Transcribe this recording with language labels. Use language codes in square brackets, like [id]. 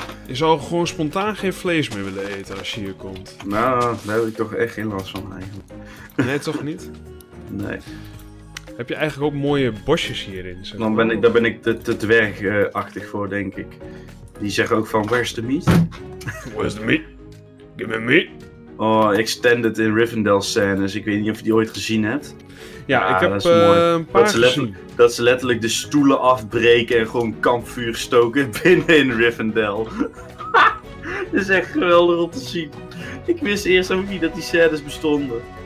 [nl] Je zou gewoon spontaan geen vlees meer willen eten als je hier komt. Nou, daar heb ik toch echt geen last van eigenlijk. Nee, toch niet? Nee. Heb je eigenlijk ook mooie bosjes hierin? Zeg. Dan ben ik te dwergachtig voor, denk ik. Die zeggen ook van, [en] where's the meat? Where's the meat? Give me meat. [nl] Oh, extended in Rivendell scènes. Ik weet niet of je die ooit gezien hebt. Ja, ik heb een paar gezien. Dat ze letterlijk de stoelen afbreken en gewoon kampvuur stoken binnen in Rivendell. Dat is echt geweldig om te zien. Ik wist eerst ook niet dat die scènes bestonden.